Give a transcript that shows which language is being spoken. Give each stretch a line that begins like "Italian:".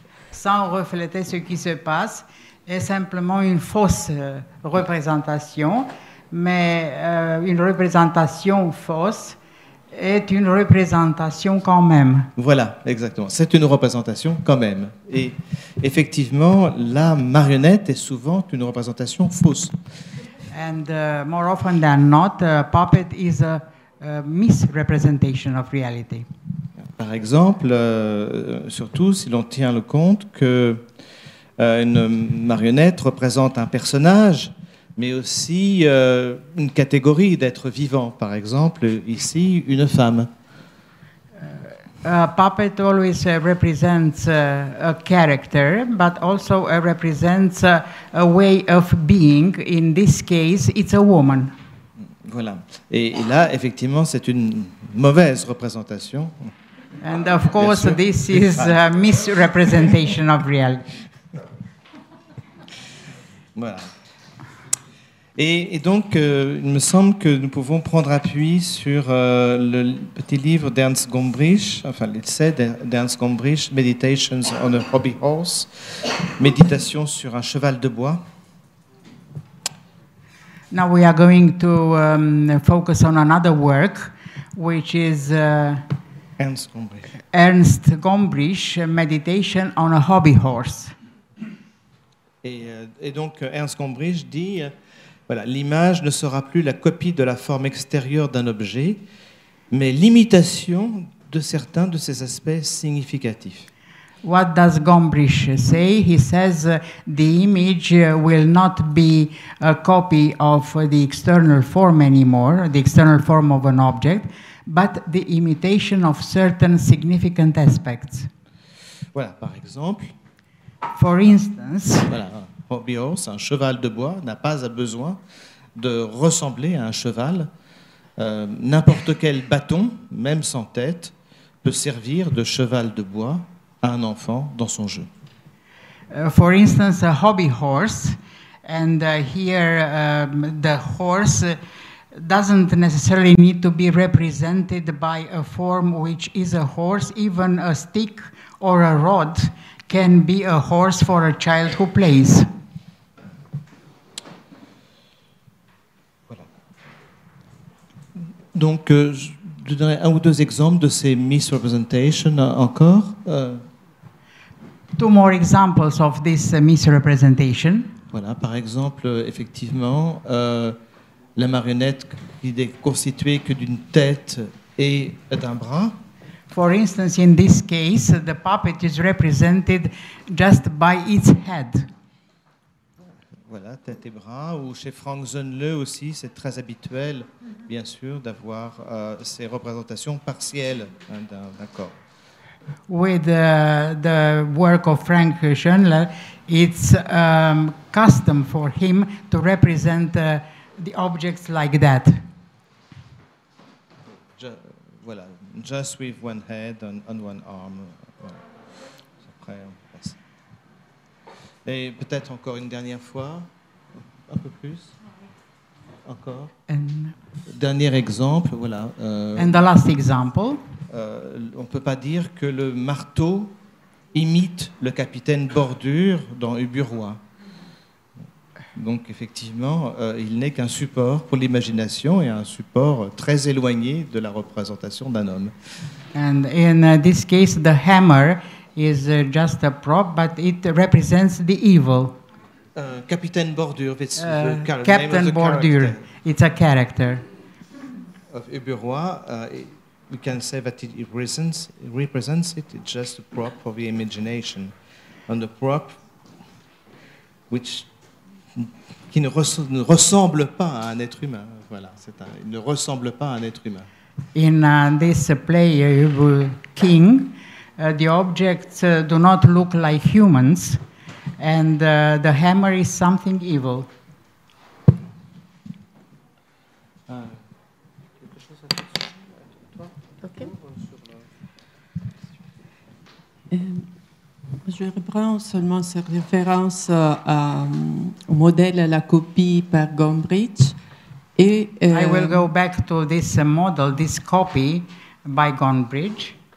French: Sans refléter ce qui se passe, est simplement une fausse représentation, mais une représentation fausse est une représentation quand même. Voilà, exactement. C'est une représentation quand même. Et effectivement, la marionnette est souvent une représentation fausse.
English: And more often than not, a puppet is a misrepresentation of reality.
French: Par exemple, surtout si l'on tient le compte que une marionnette représente un personnage, mais aussi une catégorie d'être vivant. Par exemple, ici, une femme.
English: A puppet always represents a character, but also represents a way of being. In this case, it's a woman.
French: Voilà. Et là, effectivement, c'est une mauvaise représentation.
English: And of course, this is a misrepresentation of reality.
French: Voilà. Et donc, il me semble que nous pouvons prendre appui sur le petit livre d'Ernst Gombrich, enfin, l'essai d'Ernst Gombrich, Meditations on a Hobby Horse, Méditation sur un cheval de bois.
English: Now we are going to focus on another work, which is... Ernst Gombrich. Ernst Gombrich, Meditation on a Hobby Horse.
French: Et donc Ernst Gombrich dit, voilà, l'image ne sera plus la copie de la forme extérieure d'un objet, mais l'imitation de certains de ses aspects significatifs.
English: What does Gombrich say? He says the image will not be a copy of the external form anymore, the external form of an object, but the imitation of certain significant aspects.
French: Voilà, par exemple.
English: For instance.
French: Voilà, hobby horse, un cheval de bois, n'a pas besoin de ressembler à un cheval N'importe quel bâton, même sans tête, peut servir de cheval de bois à un enfant dans son jeu.
English: For instance, a hobby horse, and here the horse doesn't necessarily need to be represented by a form which is a horse. Even a stick or a rod can be a horse for a child who plays.
French: Voilà. Donc, je donnerai un ou deux exemples de ces misrepresentations encore.
English: Two more examples of this misrepresentation.
French: Voilà, par exemple, effectivement, la marionnette qui n'est constituée que d'une tête et d'un bras.
English: For instance, in this case, the puppet is represented just by its head.
French: Voilà, tête et bras. Ou chez Frank Zönle aussi, c'est très habituel, bien sûr, d'avoir ces représentations partielles d'un corps.
English: With the work of Frank Zönle, it's custom for him to represent the objects like that. Voilà, just with one head and on one arm.
French: Après, on passe. Et peut-être encore une dernière fois, un peu plus. Encore.
English: And
French: dernier exemple, voilà.
English: And the last example.
French: On ne peut pas dire que le marteau imite le capitaine Bordure dans Uburoi. Donc, effectivement, il n'est qu'un support pour l'imagination et un support très éloigné de la représentation d'un homme.
English: And in this case, the hammer is just a prop, but it represents the evil. Capitaine Bordure, it's the character. Captain Bordure, it's a character. Of Uburoi, we can say that it represents it, it's just a prop for the imagination. And the prop, which...
French: qui ne ressemble pas à un être humain. Voilà, c'est un, il ne ressemble pas à un être humain.
English: In this play, King, the objects do not look like humans, and the hammer is something evil.
French: Je reprends seulement cette référence au modèle à la copie par Gombrich. Et,
English: I will go back to this model, this copy by Gombrich.